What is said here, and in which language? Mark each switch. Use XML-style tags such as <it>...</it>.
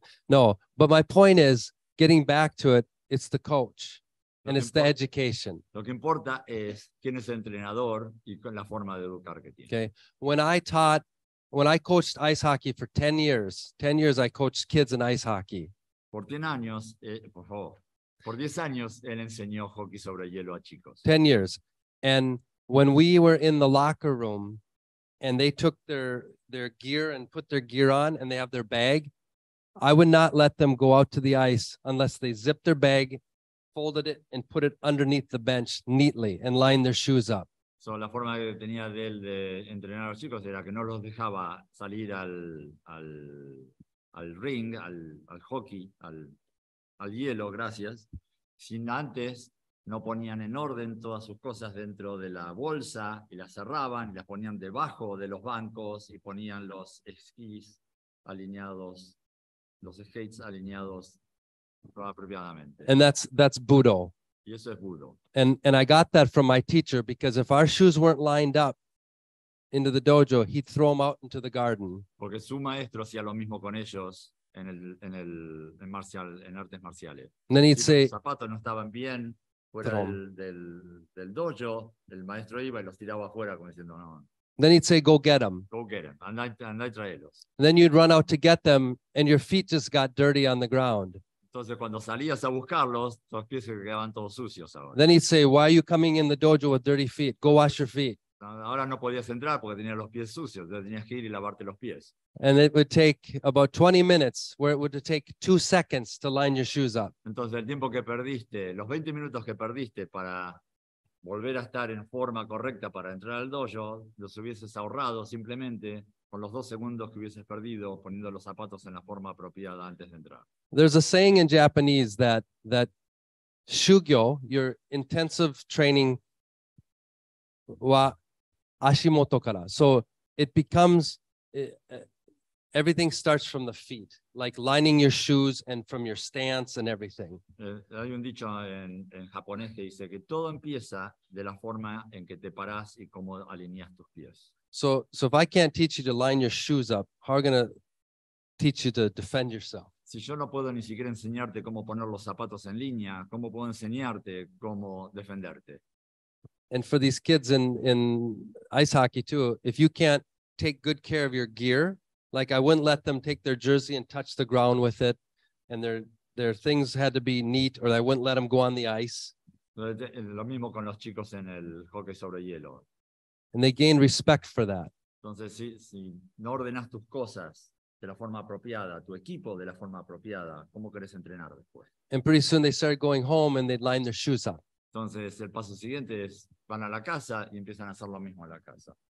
<en>No, but my point is, getting back to it, it's the coach. And it's the education.</en> <es>Lo que importa es quién es el entrenador y la forma de educar que tiene.</es> <en>Okay. When I coached ice hockey for 10 years I coached kids in ice hockey.</en> <es>Por 10 años, por favor. Por 10 años él enseñó hockey sobre hielo a chicos.</es> <en>10 years. And when we were in the locker room and they took their gear and put their gear on and they have their bag, I would not let them go out to the ice unless they zipped their bag, folded it and put it underneath the bench neatly and lined their shoes up.</en> <es>So, la forma que tenía de él de entrenar a los chicos era que no los dejaba salir al ring, al hockey, al hielo, gracias, sin antes no ponían en orden todas sus cosas dentro de la bolsa y las cerraban y las ponían debajo de los bancos y ponían los skis alineados, los skates alineados apropiadamente.</es> <en>And that's Budo. And I got that from my teacher, because if our shoes weren't lined up into the dojo, he'd throw them out into the garden.</en> <es>Porque su maestro hacía lo mismo con ellos en artes marciales.</es> <en>And then he'd</en> <es>si</es> <en>say,</en> <es>los zapatos no estaban bien fuera del dojo, el maestro iba y los tiraba afuera como diciendo no.</es> <en>Then he'd say, go get them. Go get them.</en> <es>Andai traelos.</es> <en>And then you'd run out to get them and your feet just got dirty on the ground.</en> <es>Entonces, cuando salías a buscarlos, tus pies quedaban todos sucios ahora.</es> <en>Then he'd say, why are you coming in the dojo with dirty feet? Go wash your feet.</en> <es>Ahora no podías entrar porque tenías los pies sucios. Entonces tenías que ir y lavarte los pies.</es> <en>And it would take about 20 minutes, where it would take 2 seconds to line your shoes up.</en> <es>Entonces, el tiempo que perdiste, los 20 minutos que perdiste para volver a estar en forma correcta para entrar al dojo, los hubieses ahorrado simplemente con los 2 segundos que hubieses perdido poniendo los zapatos en la forma apropiada antes de entrar.</es> <en>There's a saying in Japanese that shugyo, your intensive training,</en> <ja>wa ashimoto kara.</ja> <en>So it becomes, everything starts from the feet, like lining your shoes and from your stance and everything.</en> <es>Hay un dicho en japonés que dice que todo empieza de la forma en que te paras y cómo alineas tus pies.</es> <en>So if I can't teach you to line your shoes up, how are going to teach you to defend yourself?</en> <es>Si yo no puedo ni siquiera enseñarte cómo poner los zapatos en línea, ¿cómo puedo enseñarte cómo defenderte?</es> <en>And for these kids in ice hockey too, if you can't take good care of your gear, like I wouldn't let them take their jersey and touch the ground with it, and their things had to be neat, or I wouldn't let them go on the ice.</en> <es>Lo mismo con los chicos en el hockey sobre hielo.</es> <en>And they gain respect for that.</en> <es>Entonces, si no ordenas tus cosas de la forma apropiada, tu equipo de la forma apropiada, ¿cómo quieres entrenar después?</es> <en>And pretty soon they start going home and they'd line their shoes up.</en> <es>Entonces, el paso siguiente es van a la casa y empiezan a hacer lo mismo en la casa.</es>